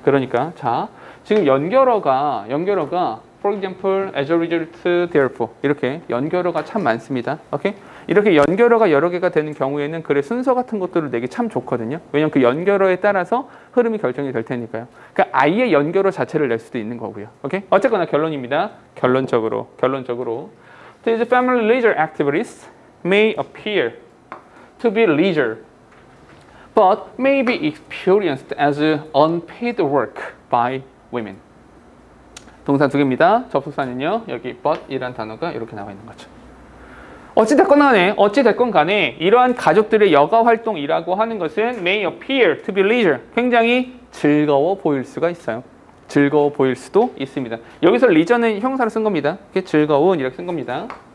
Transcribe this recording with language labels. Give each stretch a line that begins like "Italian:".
Korean: 그러니까, 자, 지금 연결어가 for example, as a result, therefore 이렇게 연결어가 참 많습니다. 오케이? 이렇게 연결어가 여러 개가 되는 경우에는 글의 순서 같은 것들을 내기 참 좋거든요. 왜냐하면 그 연결어에 따라서 흐름이 결정이 될 테니까요. 그러니까 아예 연결어 자체를 낼 수도 있는 거고요. 오케이? 어쨌거나 결론입니다. 결론적으로
English: These family leisure activities may appear to be leisure but may be experienced as unpaid work by women.
Korean: 동사 두 개입니다. 접속사는요. 여기 but이란 단어가 이렇게 나와 있는 거죠. 어찌됐건 간에 이러한 가족들의 여가활동이라고 하는 것은
English: may appear to be leisure.
Korean: 굉장히 즐거워 보일 수가 있어요. 즐거워 보일 수도 있습니다. 여기서 leisure는 형사로 쓴 겁니다. 그게 즐거운 이렇게 쓴 겁니다.